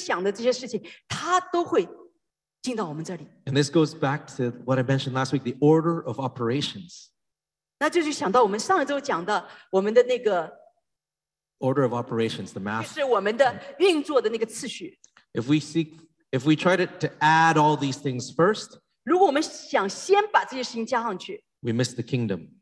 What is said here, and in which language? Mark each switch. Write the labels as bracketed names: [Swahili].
[Chinese] 那这些所有的这一切是那些人曾经去追逐、去追想的这些事情，他都会进到我们这里。 [English] And this goes back to what I mentioned last week, the order of operations. [Chinese] 那就是想到我们上一周讲的我们的那个 [English] order of operations, the math. [Chinese] 就是我们的运作的那个次序。 [English] If we try to add all these things first, [Chinese] 如果我们想先把这些事情加上去, [English] we miss the kingdom.